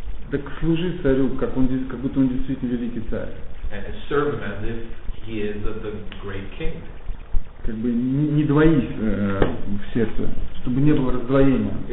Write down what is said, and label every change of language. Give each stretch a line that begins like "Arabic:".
Russian: так служи царю, как будто он действительно великий царь.
English: And serve him as if he is the great king.
Russian: Как бы не двоись в сердце, чтобы не было раздвоения.